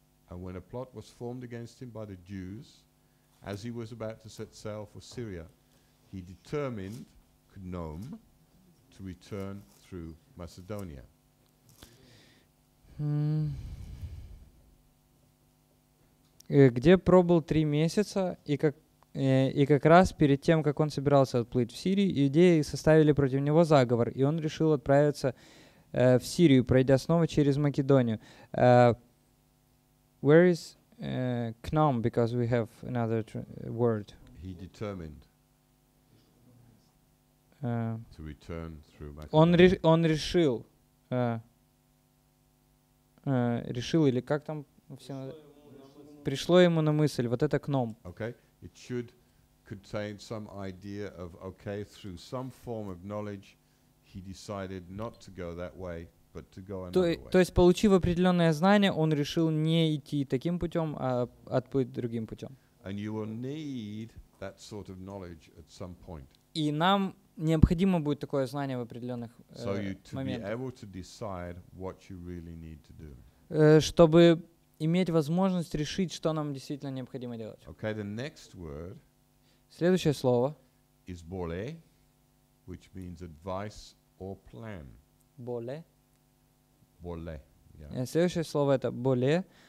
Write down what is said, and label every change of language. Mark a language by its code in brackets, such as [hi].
[en] And when a plot was formed against him by the Jews, as he was about to set sail for Syria, he determined, Kanom, to return through Macedonia. [ru] Где пробыл 3 месяца, и как раз перед тем, как он собирался отплыть в Сирию, иудеи составили против него заговор, и он решил отправиться в Сирию, пройдя снова через Македонию. [en] Where is Knom? Because we have another word. He determined to return through Macedonia. [ru] Он решил, или как там все пришло ему на мысль, вот это кном. [en] Okay, it should contain some idea of, okay, through some form of knowledge, he decided not to go that way, but to go another way. [ru] То есть, получив определенное знание, он решил не идти таким путем, а отплыть другим путем. [en] And you will need that sort of knowledge at some point. [ru] И нам необходимо будет такое знание в определенных моментах. [en] So you to be able to decide what you really need to do. [ru] Чтобы иметь возможность решить, что нам действительно необходимо делать. [en] Okay, the next word. [ru] Следующее слово. [en] Is bole, which means advice or plan. Bole. Bole. Yeah. [ru] Следующее слово это bole.